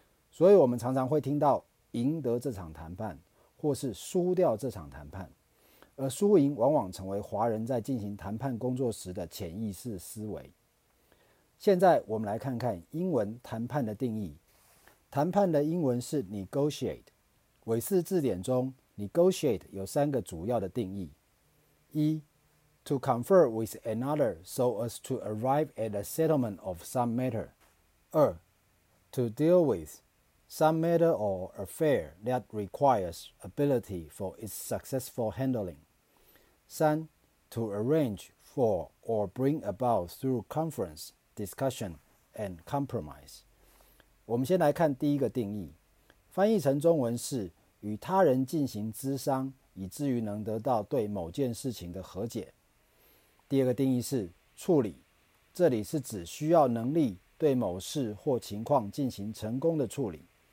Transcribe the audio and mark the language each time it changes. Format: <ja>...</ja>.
<zh>所以我们常常会听到赢得这场谈判，或是输掉这场谈判，而输赢往往成为华人在进行谈判工作时的潜意识思维。现在我们来看看英文谈判的定义。谈判的英文是 negotiate。韦氏字典中 negotiate 有3个主要的定义。</zh> <en>一， to confer with another so as to arrive at a settlement of some matter。二， to deal withSome matter or affair that requires ability for its successful handling. 3. To arrange for or bring about through conference, discussion, and compromise.</en> <zh>我们先来看第一个定义，翻译成中文是与他人进行諮商，以至于能得到对某件事情的和解。第二个定义是处理，这里是指需要能力对某事或情况进行成功的处理。</zh>